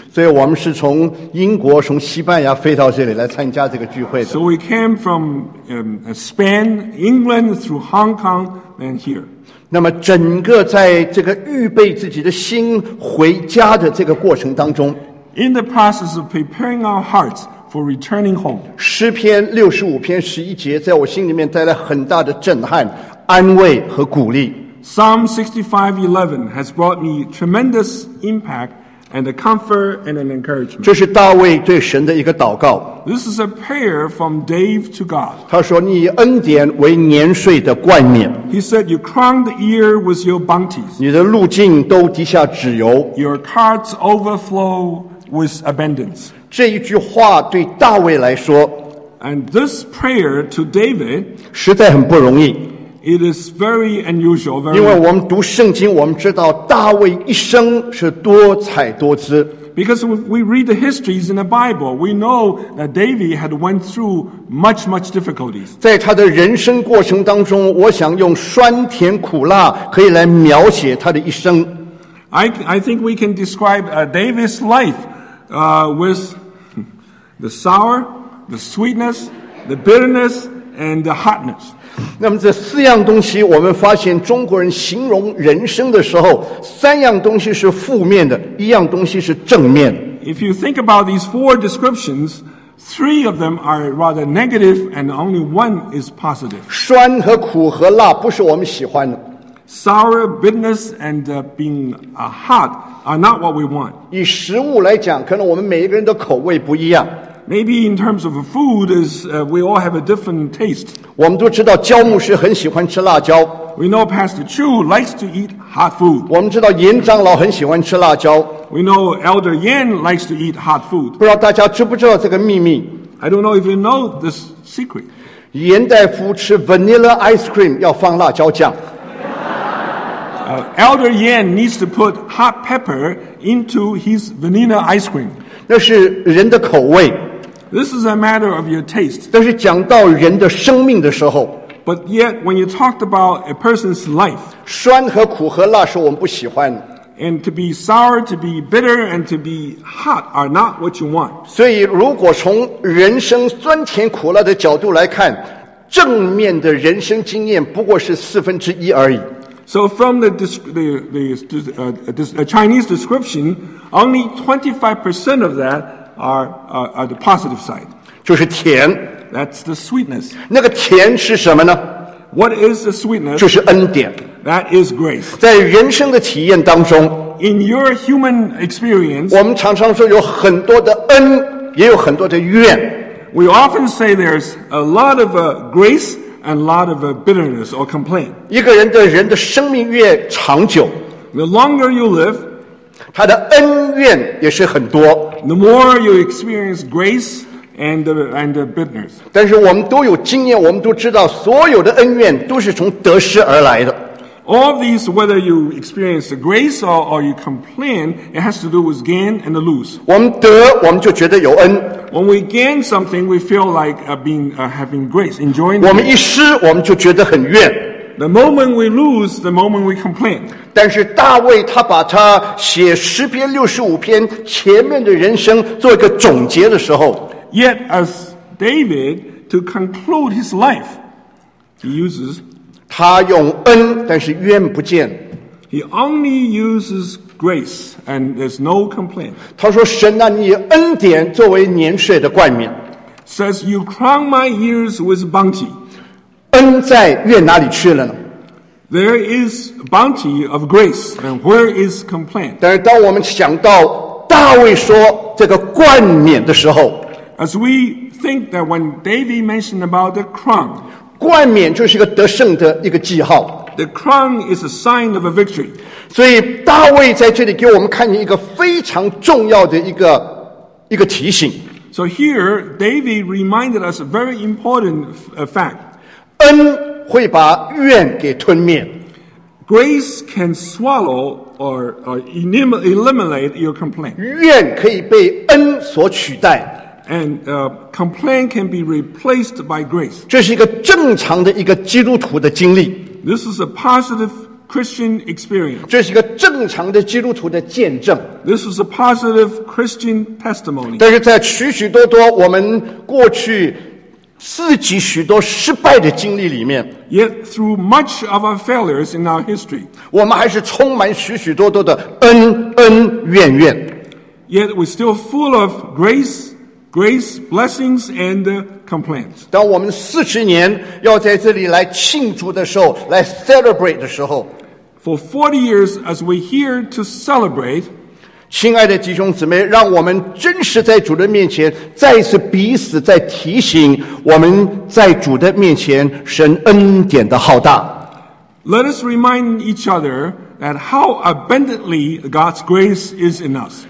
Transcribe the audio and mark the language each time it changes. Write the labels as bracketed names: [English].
[Chinese] 所以我们是从英国、从西班牙飞到这里来参加这个聚会的。 [English] So we came from Spain, England through Hong Kong and here. [Chinese] 那么整个在这个预备自己的心回家的这个过程当中。 [English] In the process of preparing our hearts for returning home. [Chinese] 诗篇65篇11节在我心里面带来很大的震撼。安慰和鼓励。 [English] Psalm 65:11 has brought me tremendous impact and a comfort and an encouragement. [Chinese] 这是大卫对神的一个祷告。 [English] This is a prayer from Dave to God. [Chinese] 他说：“你以恩典为年岁的冠冕。” [English] He said, "You crown the year with your bounties." [Chinese] 你的路径都滴下脂油。 [English] Your carts overflow with abundance. [Chinese] 这一句话对大卫来说 [English] ，And this prayer to David [Chinese] 实在很不容易。 [English] It is very unusual. Very. [Chinese] 因为我们读圣经，我们知道大卫一生是多彩多姿。 [English] Because we read the histories in the Bible, we know that David had went through much, much difficulties. [Chinese] 在他的人生过程当中，我想用酸甜苦辣可以来描写他的一生。 [English] I think we can describe David's life, with the sour, the sweetness, the bitterness, and the hotness. [Chinese] 那么这四样东西我们发现中国人形容人生的时候三样东西是负面的一样东西是正面 [English] If you think about these four descriptions three of them are rather negative and only one is positive [Chinese] 酸和苦和辣不是我们喜欢的 [English] Sour, bitterness and being hot are not what we want [Chinese] 以食物来讲可能我们每一个人的口味不一样 [English] Maybe in terms of food, is we all have a different taste. [Chinese] 我们都知道焦牧师很喜欢吃辣椒。 [English] We know Pastor Chu likes to eat hot food. [Chinese] 我们知道严长老很喜欢吃辣椒。 [English] We know Elder Yan likes to eat hot food. [Chinese] 不知道大家知不知道这个秘密 [English] ？I don't know if you know this secret. [Chinese] 严大夫吃 [English] vanilla ice cream [Chinese] 要放辣椒酱。 [English] Elder Yan needs to put hot pepper into his vanilla ice cream. [Chinese] 那是人的口味。 [English] This is a matter of your taste. [Chinese] 但是讲到人的生命的时候 [English] ，But yet when you talked about a person's life, [Chinese] 酸和苦和辣是我们不喜欢的。 [English] And to be sour, to be bitter, and to be hot are not what you want. [Chinese] 所以，如果从人生酸甜苦辣的角度来看，正面的人生经验不过是四分之一而已。 [English] So from the Chinese description, only 25% of that. Are the positive side. [Chinese] 就是甜。 [English] That's the sweetness. [Chinese] 那个甜是什么呢 [English] ？What is the sweetness? [Chinese] 就是恩典。 [English] That is grace. [Chinese] 在人生的体验当中， [English] In your human experience, [Chinese] 我们常常说有很多的恩，也有很多的怨。 [English] We often say there's a lot of grace and a lot of bitterness or complaint. [Chinese] 一个人的人的生命越长久， [English] The longer you live, [Chinese] 他的恩怨也是很多。 [English] The more you experience grace and bitterness. [Chinese] 但是我们都有经验，我们都知道所有的恩怨都是从得失而来的。 [English] All these, whether you experience the grace or you complain, it has to do with gain and the lose. [Chinese] 我们得，我们就觉得有恩。 [English] When we gain something, we feel like having grace, enjoying it. [Chinese] 我们一失，我们就觉得很怨。 [English] The moment we lose, the moment we complain. [Chinese] 但是大卫他把他写诗篇六十五篇前面的人生做一个总结的时候。 [English] Yet as David to conclude his life, he uses. [Chinese] 他用恩，但是怨不见。 [English] He only uses grace, and there's no complaint. [Chinese] 他说：“神啊，你恩典作为年岁的冠冕。” [English] Says you crown my years with bounty. [Chinese] 恩在怨哪里去了呢？ [English] There is bounty of grace, and where is complaint? [Chinese] 但是当我们想到大卫说这个冠冕的时候。 [English] As we think that when David mentioned about the crown, [Chinese] 冠冕就是一个得胜的一个记号。 [English] The crown is a sign of a victory. [Chinese] 所以大卫在这里给我们看见一个非常重要的一个提醒。 [English] So here, David reminded us a very important fact. [Chinese] 恩会把怨给吞灭。 [English] Grace can swallow or eliminate your complaint. [Chinese] 怨可以被恩所取代。 [English] And complaint can be replaced by grace. [Chinese] 这是一个正常的一个基督徒的经历。 [English] This is a positive Christian experience. [Chinese] 这是一个正常的基督徒的见证。 [English] This is a positive Christian testimony. [Chinese] 但是在许许多多我们过去自己许多失败的经历里面， [English] Yet through much of our failures in our history, [Chinese] 我们还是充满许许多多的恩恩怨怨。 [English] Yet we're still full of grace. Grace, blessings, and complaints. [Chinese] 当我们四十年要在这里来庆祝的时候，来 [English] celebrate [Chinese] 的时候 [English] ，For 40 years as we're here to celebrate, [Chinese] 亲爱的弟兄姊妹，让我们真实在主的面前，再一次彼此在提醒我们在主的面前神恩典的浩大。 [English] Let us remind each other. And how abundantly God's grace is in us.